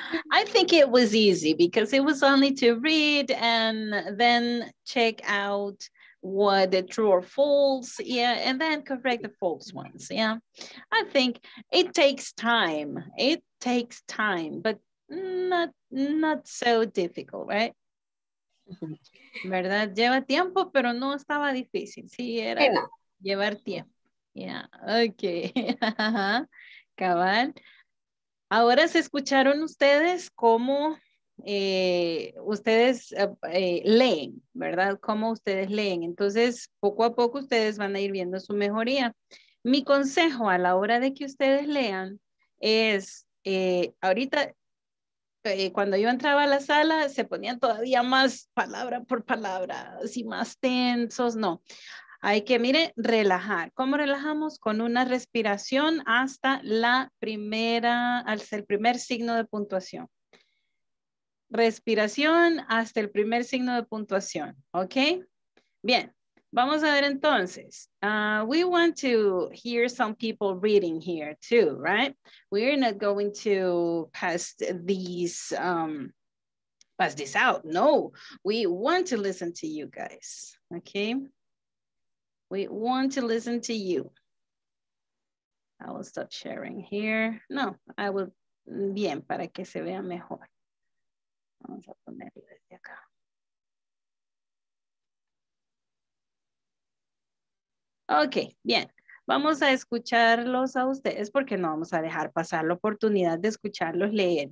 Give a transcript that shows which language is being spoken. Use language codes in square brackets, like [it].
[en] I think it was easy because it was only to read and then check out what the true or false, yeah, and then correct the false ones, yeah. I think it takes time, but not so difficult, right? [es] ¿Verdad? Lleva tiempo, pero no estaba difícil, sí, era llevar tiempo, yeah, okay, cabal. Ahora se escucharon ustedes cómo ustedes leen, ¿verdad? Cómo ustedes leen. Entonces, poco a poco ustedes van a ir viendo su mejoría. Mi consejo a la hora de que ustedes lean es, ahorita, cuando yo entraba a la sala, se ponían todavía más palabra por palabra, así más tensos, no. Hay que, mire, relajar. ¿Cómo relajamos? Con una respiración hasta la primera, hasta el primer signo de puntuación. Respiración hasta el primer signo de puntuación, ¿ok? Bien, vamos a ver entonces. [en] We want to hear some people reading here too, right? We're not going to pass this out. No, we want to listen to you guys, ¿ok? We want to listen to you. I will stop sharing here. No, I will, [es] bien, para que se vea mejor. Vamos a ponerlo desde acá. Ok, bien. Vamos a escucharlos a ustedes porque no vamos a dejar pasar la oportunidad de escucharlos leer.